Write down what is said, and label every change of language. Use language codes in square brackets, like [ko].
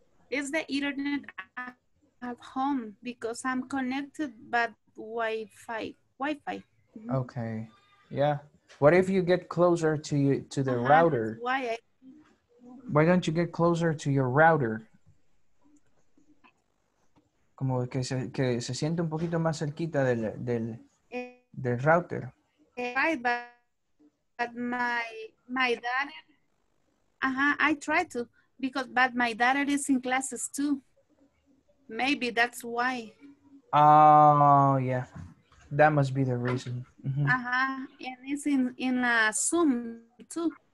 [en] It's the internet at home because I'm connected but Wi-Fi. Mm-hmm. Okay. Yeah. What if you get closer to the router? Why don't you get closer to your router? [es] Como que se siente un poquito más cerquita del router. [en] Right, but my daughter. I try to but my daughter is in classes too. Maybe that's why. Oh yeah. That must be the reason. Mm-hmm. And it's in Zoom too.